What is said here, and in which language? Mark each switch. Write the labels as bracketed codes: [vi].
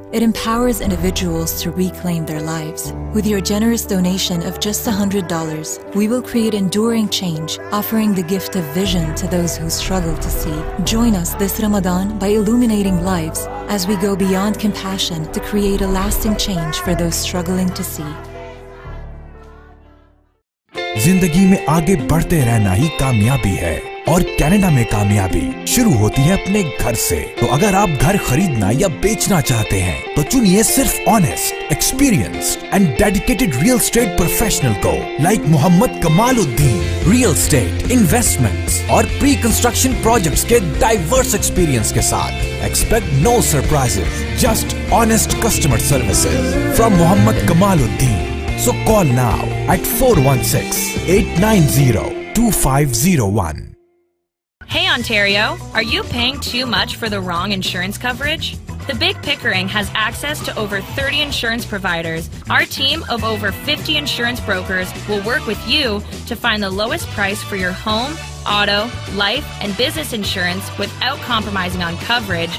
[en] It empowers individuals to reclaim their lives. With your generous donation of just $100, we will create enduring change, offering the gift of vision to those who struggle to see. Join us this Ramadan by illuminating lives as we go beyond compassion to create a lasting change for those struggling to see. [ur] زندگی میں آگے بڑھتے رہنا ہی کامیابی ہے اور Canada میں کامیابی شروع ہوتی ہے اپنے گھر سے تو اگر آپ گھر خریدنا یا بیچنا چاہتے ہیں تو چنیے صرف [en] honest experienced and dedicated real estate professional [ur] کو لائک محمد کمال الدین [en] Real estate investments اور pre construction projects کے diverse experience کے ساتھ expect no surprises just honest customer services from Muhammad Kamaluddin So call now at 416-890-2501. Hey Ontario, are you paying too much for the wrong insurance coverage? The Big Pickering has access to over 30 insurance providers. Our team of over 50 insurance brokers will work with you to find the lowest price for your home, auto, life, and business insurance without compromising on coverage.